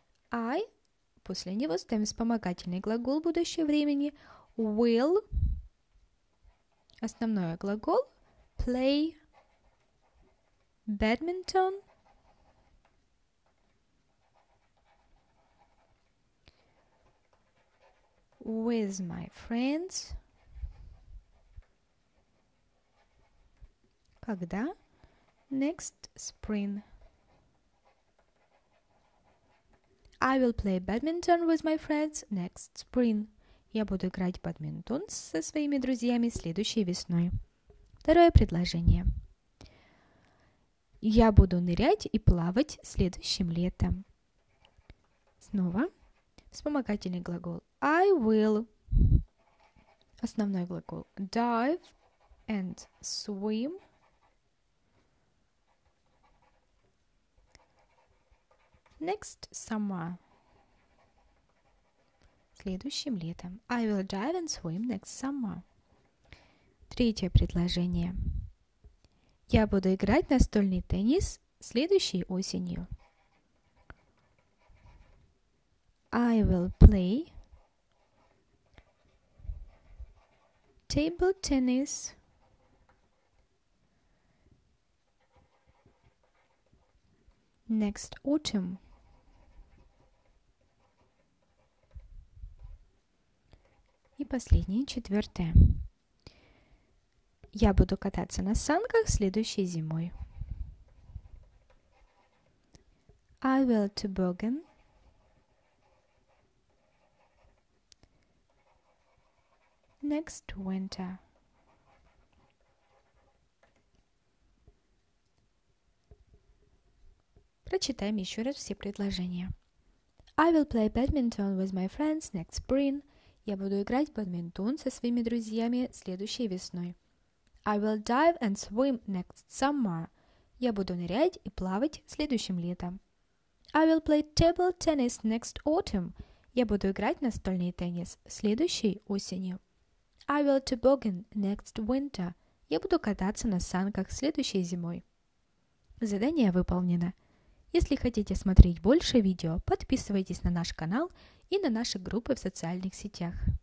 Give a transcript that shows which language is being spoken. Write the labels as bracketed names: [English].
[Russian] I, после него ставим вспомогательный глагол будущего времени, will, основной глагол, play, badminton, [English] with my friends, [Russian] когда? [English] Next spring. I will play badminton with my friends next spring. [Russian] Я буду играть в бадминтон со своими друзьями следующей весной. Второе предложение. Я буду нырять и плавать следующим летом. Снова вспомогательный глагол [English] I will. [Russian] Основной глагол [English] dive and swim. Next summer. [Russian] Следующим летом. [English] I will dive and swim next summer. [Russian] Третье предложение. Я буду играть настольный теннис следующей осенью. [English] I will play table tennis next autumn. [Russian] И последнее, четвертое. Я буду кататься на санках следующей зимой. [English] I will toboggan next winter. [Russian] Прочитаем еще раз все предложения. [English] I will play badminton with my friends next spring. [Russian] Я буду играть в бадминтон со своими друзьями следующей весной. [English] I will dive and swim next summer. [Russian] Я буду нырять и плавать следующим летом. [English] I will play table tennis next autumn. [Russian] Я буду играть настольный теннис следующей осенью. [English] I will toboggan next winter. [Russian] Я буду кататься на санках следующей зимой. Задание выполнено. Если хотите смотреть больше видео, подписывайтесь на наш канал и на наши группы в социальных сетях.